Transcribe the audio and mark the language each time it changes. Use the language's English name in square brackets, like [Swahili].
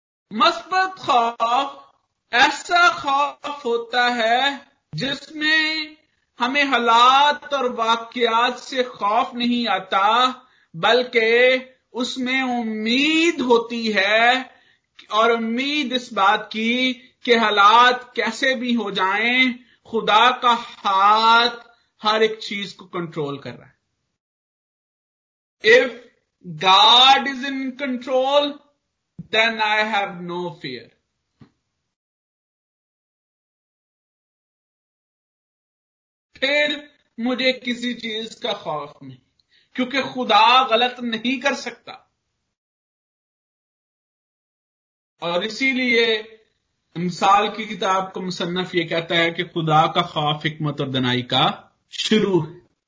[Urdu] مثبت خوف ایسا خوف ہوتا ہے جس میں ہمیں حالات اور واقعات سے خوف نہیں آتا, بلکہ اس میں امید ہوتی ہے, اور امید اس بات کی کہ حالات کیسے بھی ہو جائیں خدا کا ہاتھ ہر ایک چیز کو کنٹرول کر رہا ہے. [English] If God is in control, then I have no fear. [Urdu] پھر مجھے کسی چیز کا خوف نہیں, کیونکہ خدا غلط نہیں کر سکتا. اور اسی لیے امثال کی کتاب کو مصنف یہ کہتا ہے کہ خدا کا خوف حکمت اور دنائی کا شروع ہے.